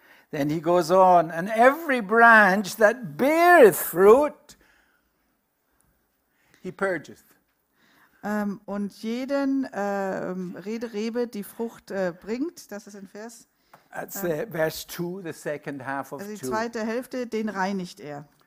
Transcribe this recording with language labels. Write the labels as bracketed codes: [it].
[en] Then he goes on, and every branch that beareth fruit, he purgeth. [de] Und jeden Rebe, die Frucht bringt, das ist in Vers. [en] That's verse 2, the second half of 2. [de] Die zweite Hälfte, den reinigt er.